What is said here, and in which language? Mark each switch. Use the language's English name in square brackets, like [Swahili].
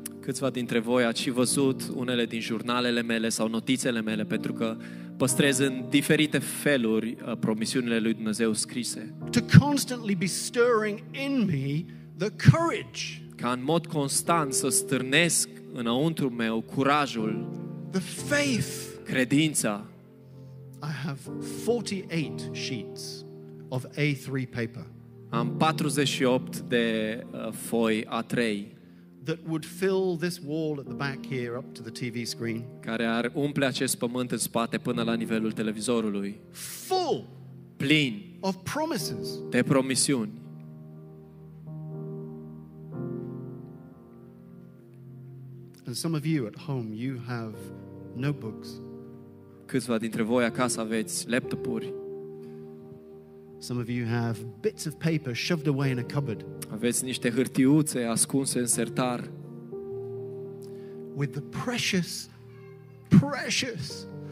[Romanian] Câțiva dintre voi ați și văzut unele din jurnalele mele sau notițele mele pentru că păstrez în diferite feluri promisiunile lui Dumnezeu scrise. [English] To constantly be stirring in me the courage. [Romanian] Ca în mod constant să stârnesc înăuntru meu curajul. [English] The faith. [Romanian] Credința. [English] I have 48 sheets of A3 paper. [Romanian] Am 48 de foi A3. [English] that would fill this wall at the back here up to the TV screen. [Romanian] Care ar umple acest pământ în spate până la nivelul televizorului. [English] Full. [Romanian] Plin. [English] Of promises. [Romanian] De promisiuni. [English] And some of you at home, you have notebooks. [Romanian] Câțiva dintre voi acasă aveți laptopuri. [English] Some of you have bits of paper shoved away in a cupboard. [Romanian] Aveți niște hârtiuțe ascunse în sertar. [English] With the precious, precious.